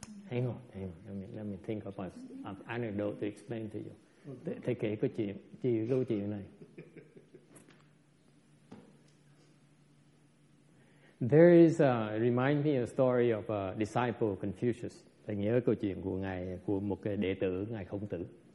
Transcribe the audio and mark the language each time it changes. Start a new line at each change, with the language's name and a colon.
English: Hang on, let me think of an anecdote to explain to you.
Vietnamese: thầy kể cái chuyện, chị lưu chuyện này.
English: There is remind me a story of a disciple Confucius.
Vietnamese: Thầy nhớ câu chuyện của ngài, của một cái đệ tử ngài Khổng Tử.